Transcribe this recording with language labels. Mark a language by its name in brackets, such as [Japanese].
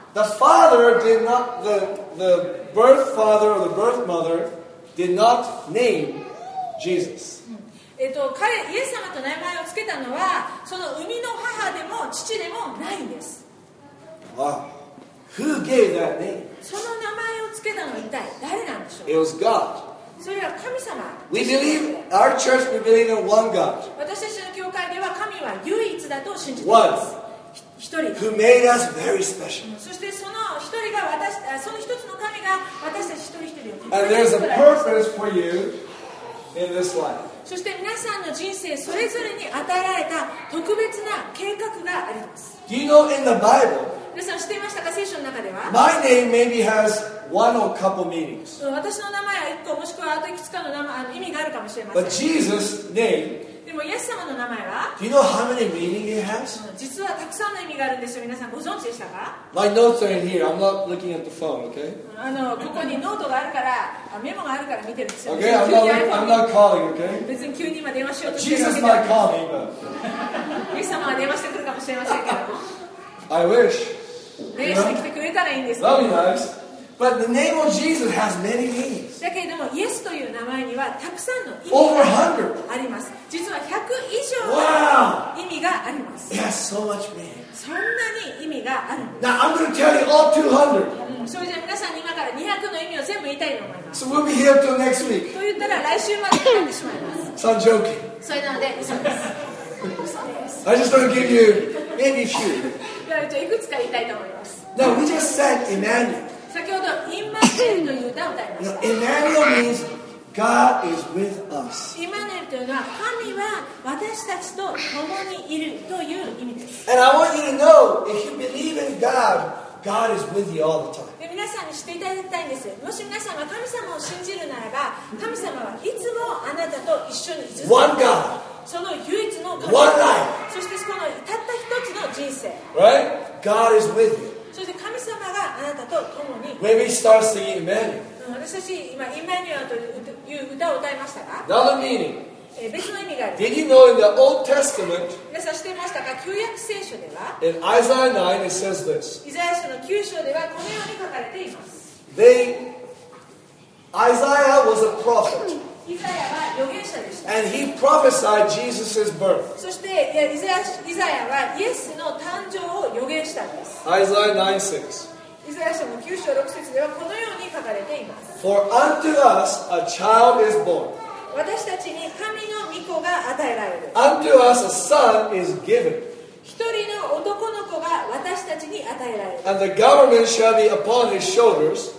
[English] The father did not, the birth father or the birth mother did not name Jesus. [Japanese] 彼、イエス様と名前をつけたのはその生みの母でも父でもないんです。 [English] Wow. Who gave that name? [Japanese] その名前をつけたのは一体誰なんでしょう? [English] It was God. [Japanese] それは神様。 [English] We believe, our church, we believe in one God. [Japanese] 私たちの教会では神は唯一だと信じています。 [English] One. [Japanese] 一人。 [English] Who made us very special. [Japanese] そしてその一人が私、その一つの神が私たち一人一人を。 [English] And there's a purpose for you in this life. [Japanese] そして皆さんの人生それぞれに与えられた特別な計画があります。 [English] Do you know in the Bible? [Japanese] 皆さん知っていましたか、聖書の中では。 [English] My name maybe has one or couple meanings. [Japanese] 私の名前は一個もしくはあといくつかの意味があるかもしれません。 [English] But Jesus name, [Japanese] でもイエス様の名前は。 [English] Do you know how many meaning it has? [Japanese] 実はたくさんの意味があるんですよ。皆さんご存知でしたか。 [English] My notes are in here. I'm not looking at the phone, okay? [Japanese] ここにノートがあるから、メモがあるから見てるんですよ。 [English] Okay, I'm not calling, okay? [Japanese] 別に急に今電話しようとしてるわけではない。 [English] Jesus might call me, but. [Japanese] イエス様は電話してくるかもしれませんけど。 [English] I wish. You know? That'd be nice. But the name of Jesus has many meanings. [Japanese] だけれども、イエスという名前にはたくさんの意味があります。 [English] Over 100. [Japanese] あります。実は100以上の意味があります。 [English] Wow. It has so much meaning. [Japanese] そんなに意味があるんです。 [English] Now I'm going to tell you all 200. [Japanese] それじゃあ皆さんに今から200の意味を全部言いたいと思います。 [English] So we'll be here till next week. [Japanese] と言ったら来週までになってしまいます。 [English] So I'm joking. [Japanese] それなので嘘です。 [English] I just want to give you maybe a few. No, we just sang Emmanuel. [Japanese] 先ほどインマヌエルという歌を歌いました。 [English] Emmanuel means God is with us. [Japanese] インマヌエルというのは神は私たちと共にいるという意味です。 [English] And I want you to know, if you believe in God, God is with you all the time. [Japanese] 皆さんに知っていただきたいんです。もし皆さんが神様を信じるならば、神様はいつもあなたと一緒にいる。 [English] One God. [Japanese] その唯一の神、そしてこのたった一つの人生、 [English] right? God is with you. [Japanese] そして神様があなたと共に。 [English] When we start singing Emmanuel. [Japanese] 私たち今 Emmanuel という歌を歌いましたか。 [English] Another meaning. [Japanese] 別の意味があります。 [English] Did you know in the Old Testament? [Japanese] 皆さん知っていましたか。旧約聖書では。 [English] In Isaiah 9 it says this. [Japanese] イザヤ書の9章ではこのように書かれています。 [English] They, Isaiah was a prophet. [Japanese] イザヤは預言者でした。 [English] And he prophesied Jesus' birth. [Japanese] そしてイザヤはイエスの誕生を預言したんです。 [English] Isaiah 9:6. [Japanese] イザヤ書の9章6節ではこのように書かれています。 [English] For unto us a child is born. [Japanese] 私たちに神の御子が与えられる。 [English] Unto us a son is given. [Japanese] 一人の男の子が私たちに与えられる。 [English] And the government shall be upon his shoulders.